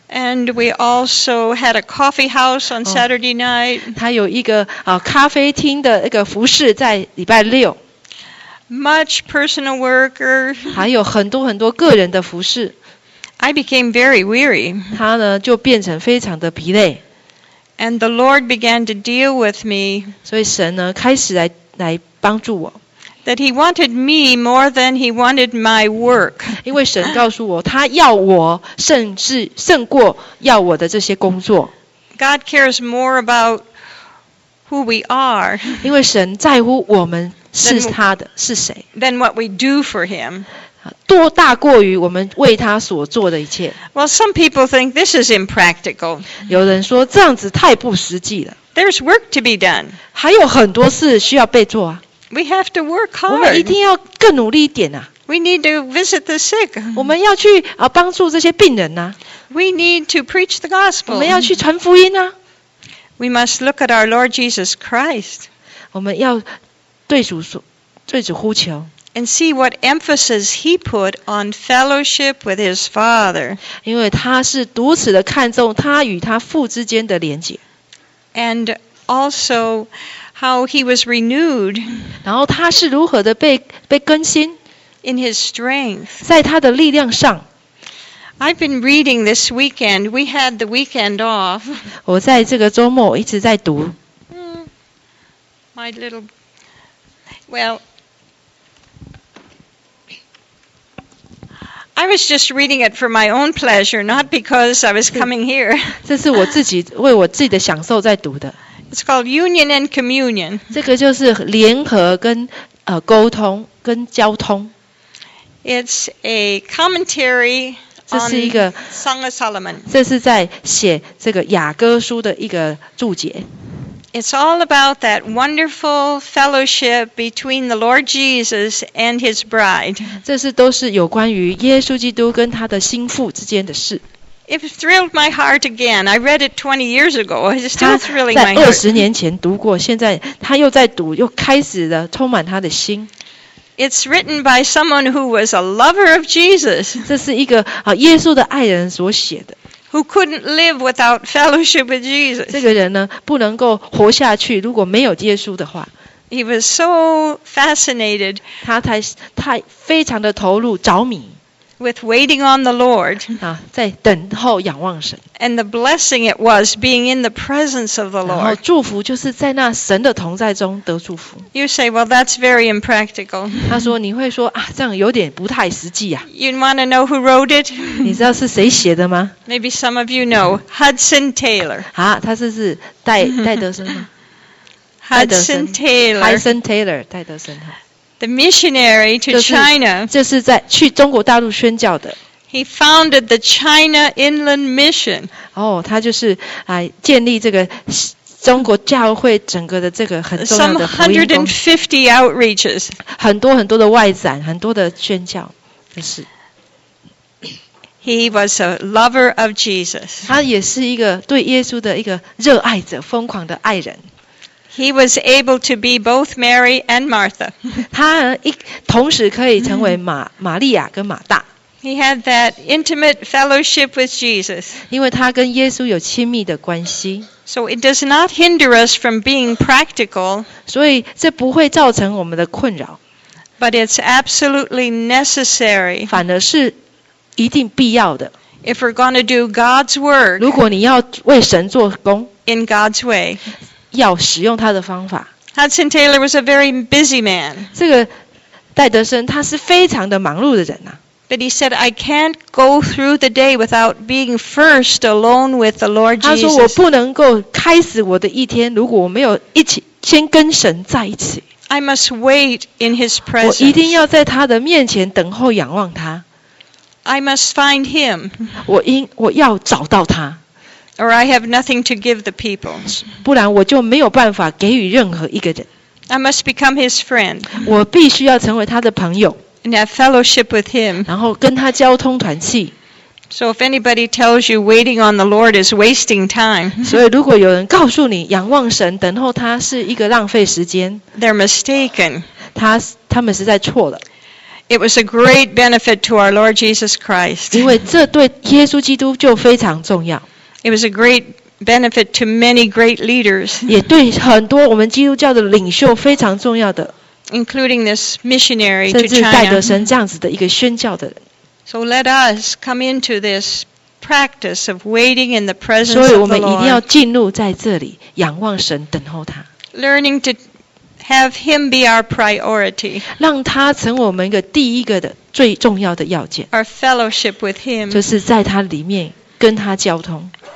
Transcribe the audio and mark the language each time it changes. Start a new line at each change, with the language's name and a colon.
English: And we also had a coffee house on Saturday night.
Chinese: 他有一个咖啡厅的一个服事在礼拜六。
English: Much personal worker.
Chinese: 还有很多很多个人的服事。
English: I became very weary.
Chinese: 他呢就变成非常的疲累。
English: And the Lord began to deal with me.
Chinese: 所以神呢开始来帮助我。
English: That he wanted me more than he wanted my work.
Chinese: 因为神告诉我，他要我胜过要我的这些工作。
English: God cares more about who we are.
Chinese: 因为神在乎我们是他的是谁。
English: Than what we do for him.
Chinese: 多大过于我们为他所做的一切。
English: Well, some people think this is impractical.
Chinese: 有人说这样子太不实际了。
English: There's work to be done.
Chinese: 还有很多事需要被做啊。
English: We have to work hard.
Chinese: 我们一定要更努力一点啊。
English: We need to visit the sick.
Chinese: 我们要去帮助这些病人啊。
English: We need to preach the gospel.
Chinese: 我们要去传福音啊。
English: We must look at our Lord Jesus Christ.
Chinese: 我们要对主呼求。
English: And see what emphasis he put on fellowship with his father.
Chinese: 因为他是如此的看重他与他父之间的连结。
English: And also,How he was renewed.
Chinese: 然后他是如何的被更新
English: ？In his strength.
Chinese: 在他的力量上。
English: I've been reading this weekend. We had the weekend off.
Chinese: 我在这个周末一直在读。
English: My little. Well, I was just reading it for my own pleasure, not because I was coming here.
Chinese: 这是我自己为我自己的享受在读的。
English: It's called union and communion.
Chinese: 这个就是联合跟沟通跟交通。
English: It's a commentary on Song of Solomon.
Chinese: 这是在写这个雅歌书的一个注解。
English: It's all about that wonderful fellowship between the Lord Jesus and His bride.
Chinese: 这是都是有关于耶稣基督跟他的心腹之间的事。
English: It thrilled my heart again. I read it 20 years ago. It's still thrilling my heart.
Chinese: 他在20年前读过，现在他又在读，又开始了，充满他的心。
English: It's written by someone who was a lover of Jesus.
Chinese: 这是一个耶稣的爱人所写的。
English: Who couldn't live without fellowship with Jesus?
Chinese: 这个人呢，不能够活下去，如果没有耶稣的话。
English: He was so fascinated.
Chinese: 他太非常的投入着迷。
English: With waiting on the Lord.
Chinese: 在等候仰望神。
English: And the blessing it was being in the presence of the Lord.
Chinese: 然后祝福就是在那神的同在中得祝福。
English: You say, well, that's very impractical.
Chinese: 他说你会说这样有点不太实际啊。
English: You want to know who wrote it?
Chinese: 你知道是谁写的吗？
English: Maybe some of you know Hudson Taylor.
Chinese: 他是戴德森吗？
English: Hudson Taylor.
Chinese: Hudson Taylor, 戴德森。
English: The missionary to China.
Chinese: 就是在去中国大陆宣教的。
English: He founded the China Inland Mission.
Chinese: 他就是建立这个中国教会整个的这个很重要的福音工。
English: Some 150 outreaches.
Chinese: 很多很多的外展，很多的宣教，就是。
English: He was a lover of Jesus.
Chinese: 他也是一个对耶稣的一个热爱者，疯狂的爱人。
English: He was able to be both Mary and Martha.
Chinese: 他同时可以成为玛利亚跟马大。
English: He had that intimate fellowship with Jesus.
Chinese: 因为他跟耶稣有亲密的关系。
English: So it does not hinder us from being practical.
Chinese: 所以这不会造成我们的困扰。
English: But it's absolutely necessary.
Chinese: 反而是一定必要的。
English: If we're going to do God's work.
Chinese: 如果你要为神做工。
English: In God's way.
Chinese: 要使用他的方法。
English: Hudson Taylor was a very busy man.
Chinese: 这个戴德森他是非常的忙碌的人啊。
English: But he said, I can't go through the day without being first alone with the Lord Jesus.
Chinese: 他说我不能够开始我的一天，如果我没有一起先跟神在一起。
English: I must wait in His presence.
Chinese: 我一定要在他的面前等候仰望他。
English: I must find Him.
Chinese: 我要找到他。
English: Or I have nothing to give the people.
Chinese: 不然我就没有办法给予任何一个人。
English: I must become his friend.
Chinese: 我必须要成为他的朋友。
English: And have fellowship with him.
Chinese: 然后跟他交通团契。
English: So if anybody tells you waiting on the Lord is wasting time.
Chinese: 所以如果有人告诉你仰望神等候他是一个浪费时间。
English: They're mistaken.
Chinese: 他们实在错了。
English: It was a great benefit to our Lord Jesus Christ.
Chinese: 因为这对耶稣基督就非常重要。
English: It was a great benefit to many great leaders.
Chinese: 也对很多我们基督教的领袖非常重要的。
English: Including this missionary to China.
Chinese: 甚至戴德森这样子的一个宣教的人。
English: So let us come into this practice of waiting in the presence of the Lord.
Chinese: 所以我们一定要进入在这里，仰望神，等候他。
English: Learning to have him be our priority.
Chinese: 让他成我们一个第一个的最重要的要件。
English: Our fellowship with him.
Chinese: 就是在他里面。跟他交通。